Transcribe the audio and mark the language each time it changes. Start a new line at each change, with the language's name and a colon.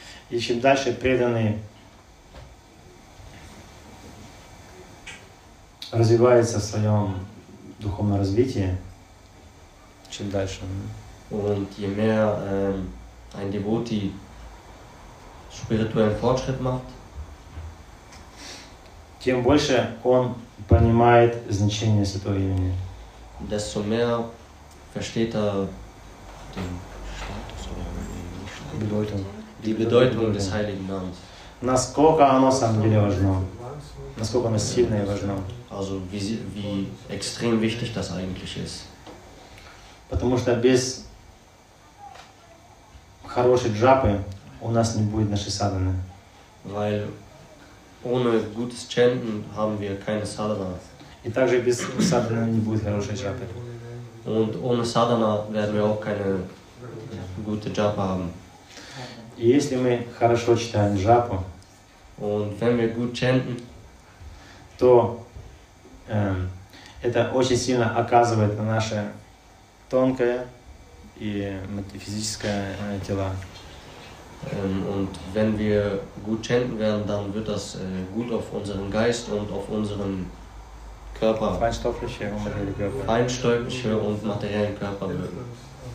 Russian: И чем дальше преданный развивается в своем духовном развитии, чем дальше.
German: Und je mehr ein Devoti spirituellen Fortschritt macht,
Russian: тем больше он понимает значение святого имени.
German: Desto mehr versteht den Status oder Bedeutung. Die Bedeutung des Heiligen Namens.
Russian: Насколько оно сам деле важно? Насколько оно сильно и важно?
German: Also wie extrem wichtig das eigentlich ist.
Russian: Потому что без хорошей джапы у нас не будет нашей садханы.
German: Weil ohne gutes Chanten haben wir keine Sadhana.
Russian: И также без садханы не будет хорошей джапы.
German: Und ohne Sadhana werden wir auch keine gute Japa haben.
Russian: И если мы хорошо читаем джапу,
German: und wenn wir gut chanten,
Russian: то это очень сильно оказывает на наше тонкое и метафизическое тело.
German: Und wenn wir gut chanten werden, dann wird das gut auf unseren Geist und auf unseren Körper. Feinstoffliche und materiellen Körper wirken.